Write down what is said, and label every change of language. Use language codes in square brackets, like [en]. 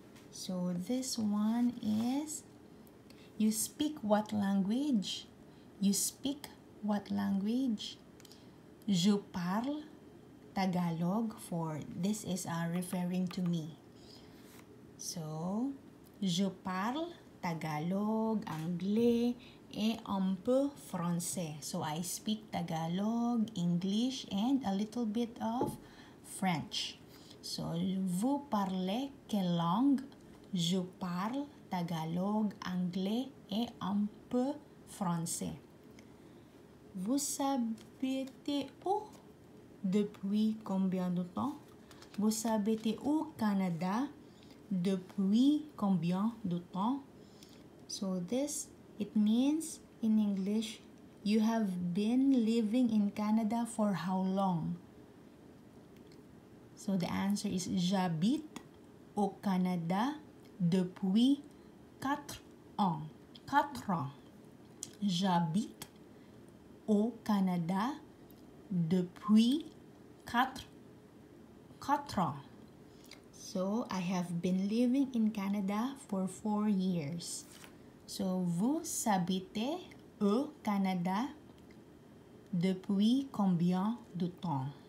[en] So this one is, you speak what language? You speak what language? [fr] Je parle Tagalog, [en] for this is referring to me. [fr] So, je parle Tagalog, anglais, et un peu français. [en] So, I speak Tagalog, English, and a little bit of French. [fr] So, vous parlez quelle langue? Je parle Tagalog, anglais, et un peu français. Vous habitez où depuis combien de temps? Vous habitez au Canada depuis combien de temps? [en] So this, it means in English, you have been living in Canada for how long? So the answer is, [fr] j'habite au Canada depuis 4 ans. 4 ans. J'habite au Canada depuis 4 ans. [en] So, I have been living in Canada for 4 years. [fr] So, vous habitez au Canada depuis combien de temps?